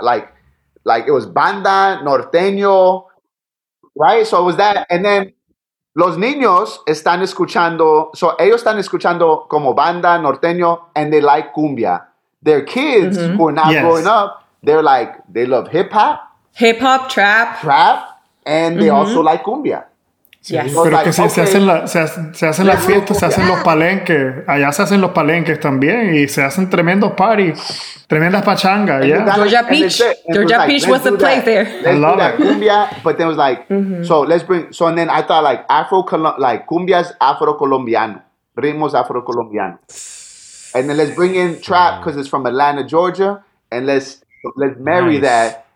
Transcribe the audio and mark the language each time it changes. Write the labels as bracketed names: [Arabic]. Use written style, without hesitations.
[English] Like it was banda, norteño, right? So it was that. And then [Spanish] los niños están escuchando. So ellos están escuchando como banda, norteño, [English] and they like cumbia. Their kids who are now growing up, they're like, they love hip-hop, trap. And they also like cumbia. Yes. [Spanish] Pero que se hacen la fiesta, se hacen los palenques. Allá se hacen los palenques también y se hacen tremendos parties, tremendas pachangas. [English] Yeah. Georgia Peach was the place there. Let's do that cumbia, but then it was like, and then I thought like cumbia's Afro-Colombiano, [Spanish] ritmos Afro-Colombiano. [English] And then let's bring in trap because it's from Atlanta, Georgia, and let's marry that.